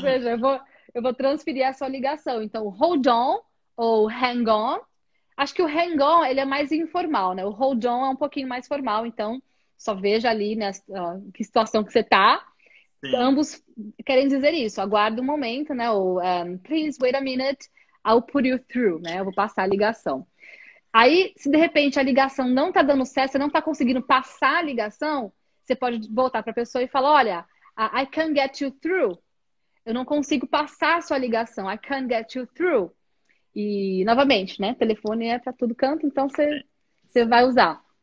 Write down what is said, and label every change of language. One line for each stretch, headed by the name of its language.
Portuguese: seja, eu vou transferir a sua ligação. Então hold on ou hang on. Acho que o hang on ele é mais informal, né? O hold on é um pouquinho mais formal, então só veja ali, né, que situação que você tá. Ambos querem dizer isso, aguarda um momento, né?
English: Ou please wait a minute, I'll put you through, né?
Portuguese: Eu vou passar a ligação. Aí, se de repente a ligação não tá dando certo, você não tá conseguindo passar a ligação, você pode voltar para a pessoa e falar: olha,
English: I can't get you through.
Portuguese: Eu não consigo passar a sua ligação.
English: I can't get you through.
Portuguese: E, novamente, né? Telefone é para todo canto, então você vai usar.